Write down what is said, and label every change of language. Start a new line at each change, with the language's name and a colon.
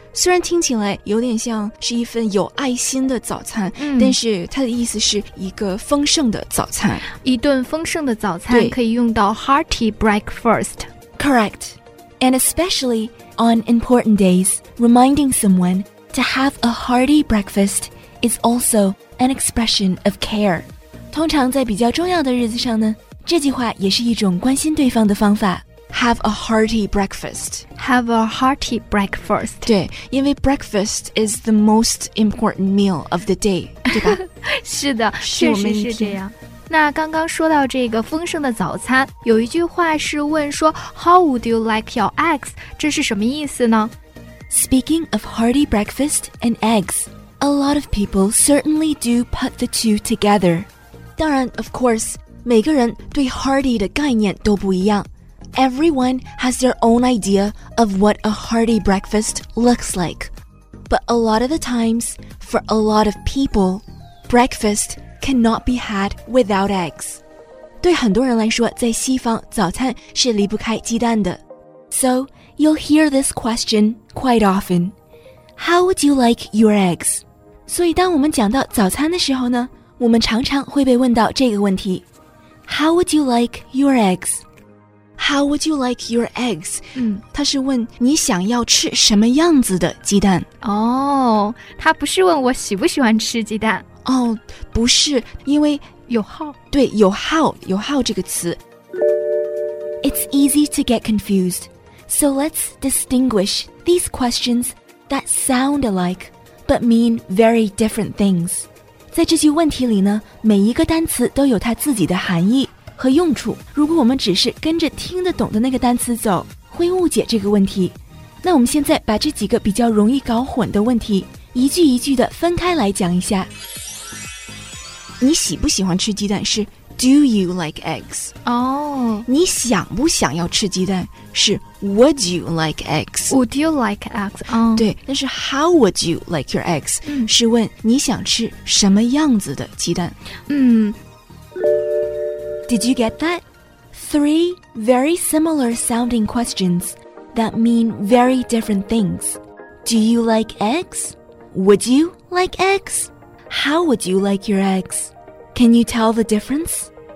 Chinese: 虽然听起来有点像是一份有爱心的早餐、但是它的意思是一个丰盛的早餐。一顿丰盛的早餐可以用到 hearty breakfast.
English: Correct. And especially on important days, reminding someone to have a hearty breakfast is also... An expression of care.
Chinese: 通常在比较重要的日子上呢，这句话也是一种关心对方的方法。
English: Have a hearty breakfast. Have a hearty breakfast.
Chinese: 对，因为
English: breakfast is the most important meal of the day,
Chinese: 对吧？是的，确实是这样。那刚刚说到这个丰盛的早餐，有一句话是问说
English: How would you like your eggs?
Chinese: 这是什么意思呢？
English: Speaking of hearty breakfast and eggs. A lot of people certainly do put the two together.
Chinese: 当然,
English: of course,
Chinese: 每个人对 hearty 的概念都不一样。
English: Everyone has their own idea of what a hearty breakfast looks like. But a lot of the times, for a lot of people, breakfast cannot be had without eggs.
Chinese: 对很多人来说,在西方,早餐是离不开鸡蛋的。
English: So, you'll hear this question quite often. How would you like your eggs?
Chinese: 所以当我们讲到早餐的时候呢，我们常常会被问到这个问题。
English: How would you like your eggs? How would you like your eggs?
Chinese: 它是问你想要吃什么样子的鸡蛋。哦，它不是问我喜不喜欢吃鸡蛋。哦，不是，因为有 how。对，有 how， 有 how 这个词。
English: It's easy to get confused. So let's distinguish these questions. That sound alike, but mean very different things.
Chinese: 在这句问题里呢，每一个单词都有它自己的含义和用处。如果我们只是跟着听得懂的那个单词走，会误解这个问题。那我们现在把这几个比较容易搞混的问题，一句一句的分开来讲一下。你喜不喜欢吃鸡蛋是
English: Do you like eggs?
Chinese: 哦，你想不想要吃鸡蛋是
English: Would you like eggs? Would you like eggs?、
Chinese: 对，但是
English: how would you like your eggs?、
Chinese: 是问你想吃什么样子的鸡蛋。嗯。
English: Did you get that? Three very similar sounding questions that mean very different things. Do you like eggs? Would you like eggs? How would you like your eggs? Can you tell the difference?